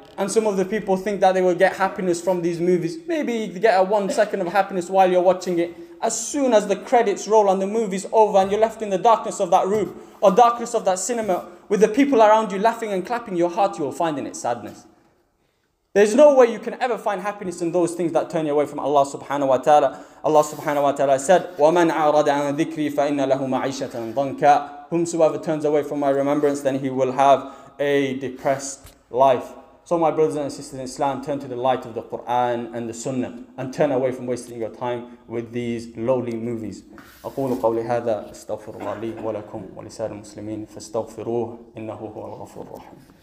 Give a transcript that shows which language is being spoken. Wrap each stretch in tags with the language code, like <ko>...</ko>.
<en>And some of the people think that they will get happiness from these movies. Maybe you get a 1 second of happiness while you're watching it. As soon as the credits roll and the movie's over and you're left in the darkness of that room or darkness of that cinema with the people around you laughing and clapping, your heart, you will find in it sadness. There's no way you can ever find happiness in those things that turn you away from Allah subhanahu wa ta'ala.</en> <ar>Allah subhanahu wa ta'ala said, وَمَنْ أَعْرَضَ عَنَ ذِكْرِي فَإِنَّ لَهُ مَعِيشَةً ضَنْكًا.</ar> <en>Whomsoever turns away from my remembrance, then he will have a depressed life. So my brothers and sisters in Islam, turn to the light of the Quran and the Sunnah and turn away from wasting your time with these lowly movies.</en> <ar>أقول قولي هذا استغفر الله لي ولكم ولسائر المسلمين فاستغفروه إنه هو الغفور الرحيم.</ar>